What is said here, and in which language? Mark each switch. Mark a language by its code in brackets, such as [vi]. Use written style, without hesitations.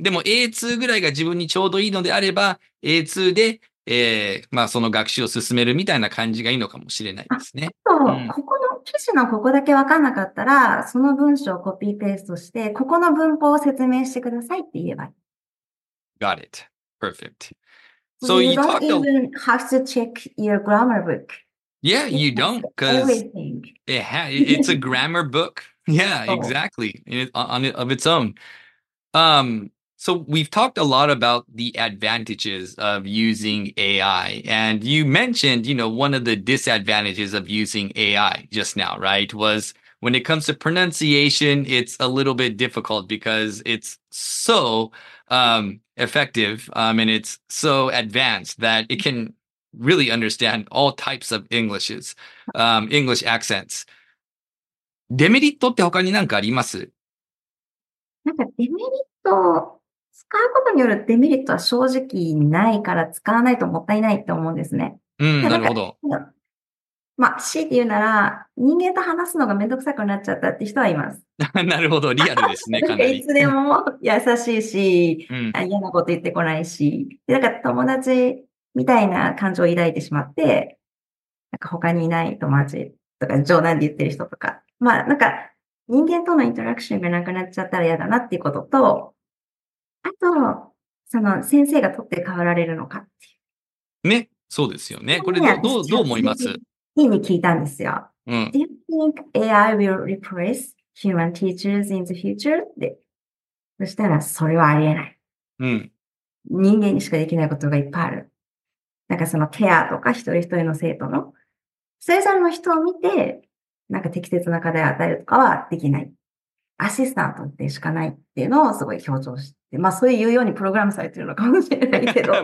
[ja] でも A2 ぐらいが自分にちょうどいいのであれば、A2 で、その学習を進めるみたいな感じがいいのかもしれないですね。ここの記事のここだけわかんなかったら、その文章をコピーペーストして、ここの文法を説明してくださいって言えばいい。 [en] Got it. Perfect. So you don't even have to check your grammar book. Yeah, you don't, because it's a grammar book. Yeah, exactly. Of its own. So we've talked a lot about the advantages of using AI. And you mentioned, one of the disadvantages of using AI just now, right? Was when it comes to pronunciation, it's a little bit difficult because it's so... effective, and it's so advanced that it can really understand all types of Englishes, English accents. [ja] デメリットって他に何かあります？なんかデメリット、使うことによるデメリットは正直ないから使わないともったいないって思うんですね。なるほど。まあ、強いて言うなら、人間と話すのがめんどくさくなっちゃったって人はいます。なるほど、リアルですね、かなり。いつでも優しいし、嫌なこと言ってこないし、なんか友達みたいな感情を抱いてしまって、なんか他にいない友達とか、冗談で言ってる人とか、まあ、なんか人間とのインタラクションがなくなっちゃったら嫌だなっていうことと、あと、その先生が取って代わられるのかっていう。ね、そうですよね。これどう思います？いいに聞いたんですよ。 [en] Do you think AI will replace human teachers in the future? [ja] で、そしたら、それはありえない。人間にしかできないことがいっぱいある。なんかそのケアとか一人一人の生徒の、それぞれの人を見て、なんか適切な課題を与えるとかはできない。アシスタントでしかないっていうのをすごい強調して、まあそういうようにプログラムされてるのかもしれないけど。